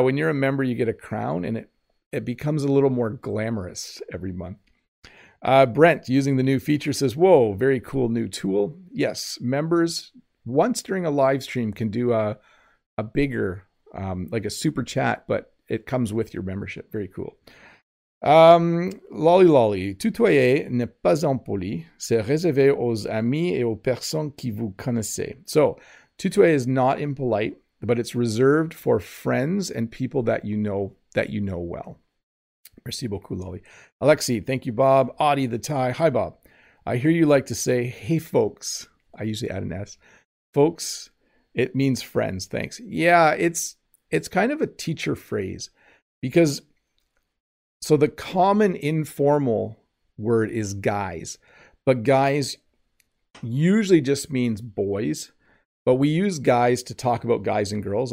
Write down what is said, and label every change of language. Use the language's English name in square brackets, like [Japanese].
[English] When you're a member, you get a crown and it becomes a little more glamorous every month. Brent, using the new feature, says, whoa, very cool new tool. Yes, members once during a live stream can do a bigger, like a super chat, but it comes with your membership. Very cool. [French] Lolly Lolly, tutoyer n'est pas impoli, c'est réservé aux amis et aux personnes qui vous connaissez. [English] So, tutoyer is not impolite, but it's reserved for friends and people that you know well. [French] Merci beaucoup, Lolly. [English] Alexi, thank you, Bob. Audie the Thai. Hi, Bob. I hear you like to say, hey, folks. I usually add an S. Folks, it means friends. Thanks. Yeah, it's kind of a teacher phrase because, so the common informal word is guys, but guys usually just means boys, but we use guys to talk about guys and girls.